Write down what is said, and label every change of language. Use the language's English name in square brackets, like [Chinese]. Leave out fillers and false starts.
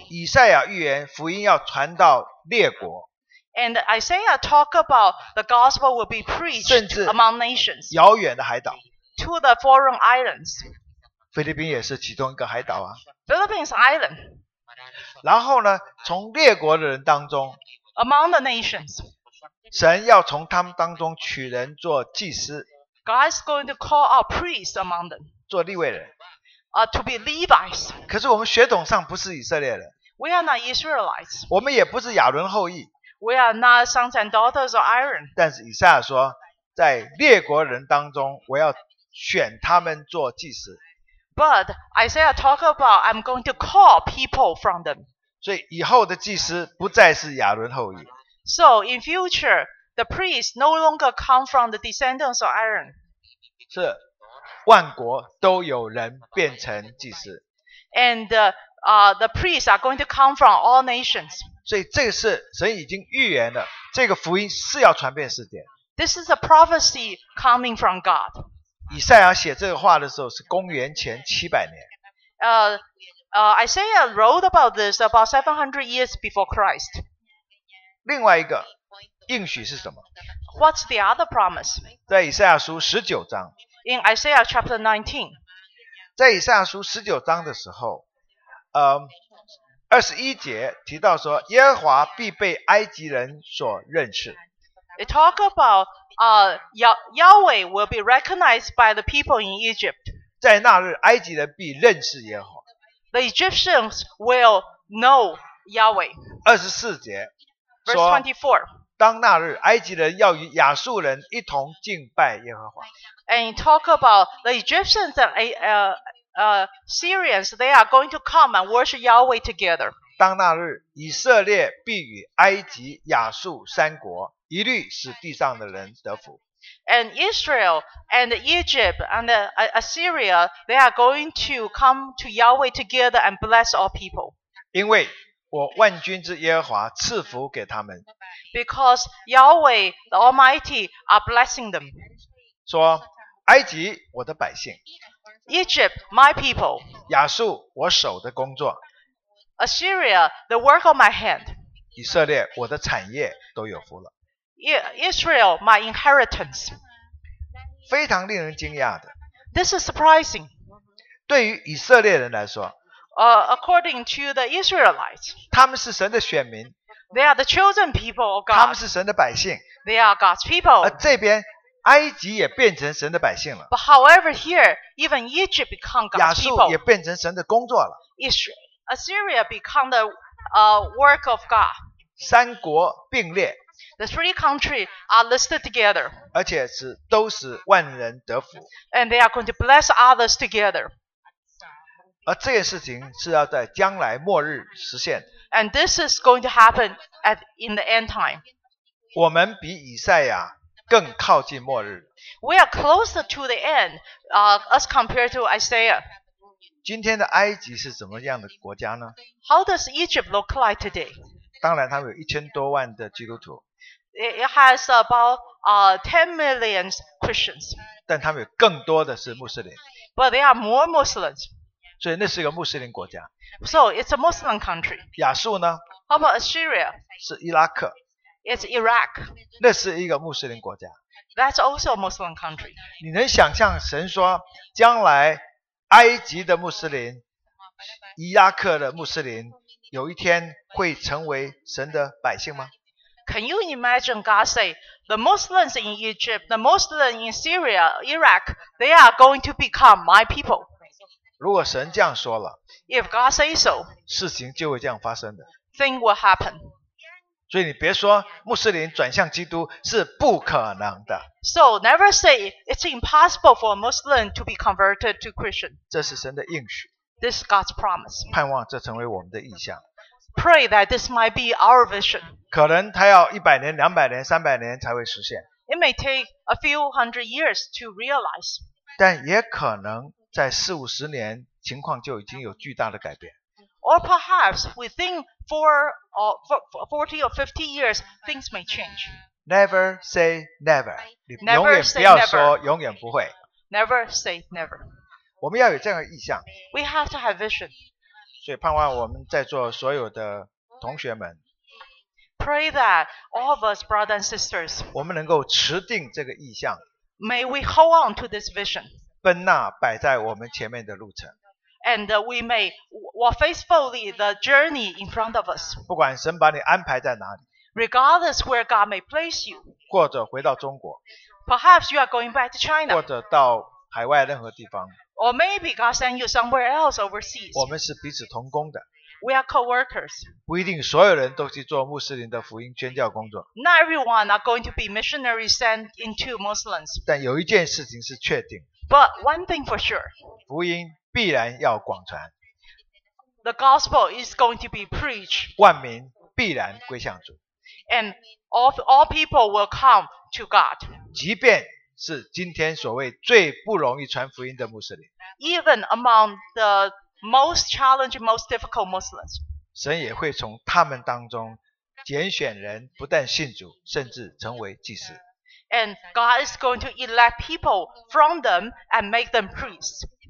[Chinese] 以赛亚预言福音要传到列国。 [English] And Isaiah talk about the gospel will be preached among nations. [Chinese] 遥远的海岛。 [English] To the foreign islands. [Chinese] 菲律宾也是其中一个海岛啊。 [English] Philippines island. [Chinese] 然后呢，从列国的人当中 [English] ，Among the nations， [Chinese] 神要从他们当中取人做祭司 [English] ，God is going to call out priests among them， [Chinese] 做利未人 [English] ，to be Levites。 [Chinese] 可是我们血统上不是以色列人 [English] ，We are not Israelites。 [Chinese] 我们也不是亚伦后裔 [English] ，We are not sons and daughters of Aaron。 [Chinese] 但是以赛亚说，在列国人当中，我要选他们做祭司。 [English] But Isaiah talk about I'm going to call people from them. [Chinese] 所以以后的祭司不再是亚伦后裔。 [English] So in future, the priests no longer come from the descendants of Aaron. [Chinese] 是，万国都有人变成祭司。 [English] And the priests are going to come from all nations. [Chinese] 所以这个是神已经预言的，这个福音是要传遍世界。 [English] This is a prophecy coming from God. [Chinese] 以赛亚写这个话的时候是公元前700年。 [English] Isaiah wrote about this about 700 years before Christ. [Chinese] 另外一个应许是什么？ [English] What's the other promise? [Chinese] 在以赛亚书19章。 [English] In Isaiah chapter 19. [Chinese] 在以赛亚书19章的时候，21节提到说耶和华必被埃及人所认识。 [English] It talk about Yahweh will be recognized by the people in Egypt. [Chinese] 在那日埃及人必认识耶和华。 [English] The Egyptians will know Yahweh. [Chinese] 24节说 [English] Verse 24. [Chinese] 当那日埃及人要与亚述人一同敬拜耶和华。 [English] And talk about the Egyptians and Syrians, they are going to come and worship Yahweh together. [Chinese] 当那日以色列必与埃及亚述三国一律使地上的人得福。 [English] And Israel and Egypt and Assyria, they are going to come to Yahweh together and bless all people. [Chinese] 因为我万军之耶和华赐福给他们。 [English] Because Yahweh the Almighty are blessing them. [Chinese] 说埃及我的百姓。 [English] Egypt my people. [Chinese] 亚述我手的工作。 [English] Assyria the work of my hand. [Chinese] 以色列我的产业都有福了。 [English] Israel, my inheritance. [Chinese] 非常令人惊讶的。 [English] This is surprising. [Chinese] 对于以色列人来说。 [English] According to the Israelites. [Chinese] 他们是神的选民。 [English] They are the chosen people of God. [Chinese] 他们是神的百姓。 [English] They are God's people. [Chinese] 而这边埃及也变成神的百姓了。 [English] But however here, even Egypt become God's people. [Chinese] 亚述也变成神的工作了。 [English] Israel, Assyria become the work of God. [Chinese] 三国并列。 [English] The three countries are listed together. [Chinese] 而且是都是万人得福。 [English] And they are going to bless others together. [Chinese] 而这件事情是要在将来末日实现。 [English] And this is going to happen in the end time. [Chinese] 我们比以赛亚更靠近末日。 [English] We are closer to the end, as compared to Isaiah. [Chinese] 今天的埃及是怎么样的国家呢？ [English] How does Egypt look like today? [Chinese] 当然他们有1000多万的基督徒。 [English] It has about 10 million Christians. [Chinese] 但他们有更多的是穆斯林。 [English] But they are more Muslims. [Chinese] 所以那是一个穆斯林国家。 [English] So it's a Muslim country. [Chinese] 亚述呢？ [English] How about Assyria? [Chinese] 是伊拉克。 [English] It's Iraq. [Chinese] 那是一个穆斯林国家。 [English] That's also a Muslim country. [Chinese] 你能想象神说，将来埃及的穆斯林、伊拉克的穆斯林有一天会成为神的百姓吗？ [English] Can you imagine God say, the Muslims in Egypt, the Muslims in Syria, Iraq, they are going to become my people. [Chinese] 如果神这样说了， [English] If God say so, [Chinese] 事情就会这样发生的。 [English] Thing will happen. [Chinese] 所以你别说穆斯林转向基督是不可能的。 [English] So never say it's impossible for a Muslim to be converted to Christian. [Chinese] 这是神的应许。 [English] This is God's promise. [Chinese] 盼望这成为我们的意象。 [English] Pray that this might be our vision. [Chinese] 可能它要100年、200年、300年才会实现。 [English] It may take a few hundred years to realize. [Chinese] 但也可能在40-50年情况就已经有巨大的改变。 [English] Or perhaps within 40 or 50 years, things may change. Never say never. [Chinese] 你永远不要说永远不会。 [English] Never say never. [Chinese] 我们要有这样的意向。 [English] We have to have vision. [Chinese] 所以盼望我们在座所有的同学们 [English] Pray that all of us brothers and sisters [Chinese] 我们能够持定这个意向 [English] May we hold on to this vision [Chinese] 奔那摆在我们前面的路程 [English] And we may walk faithfully the journey in front of us [Chinese] 不管神把你安排在哪里 [English] Regardless where God may place you [Chinese] 或者回到中国 [English] Perhaps you are going back to China [Chinese] 或者到海外任何地方 [English] Or maybe God send you somewhere else overseas. [Chinese] 我们是彼此同工的。 [English] We are co-workers. [Chinese] 不一定所有人都去做穆斯林的福音宣教工作。 [English] Not everyone are going to be missionaries sent into Muslims. [Chinese] 但有一件事情是确定。 [English] But one thing for sure. [Chinese] 福音必然要广传。 [English] the gospel is going to be preached. [Chinese] 万民必然归向主。 [English] And all people will come to God. [Chinese] 即便是今天所谓最不容易传福音的穆斯林。 [English] Even among the most challenging, most difficult Muslims. [Chinese] 神也会从他们当中拣选人，不但信主，甚至成为祭司。 [English] And God is going to elect people from them and make them priests.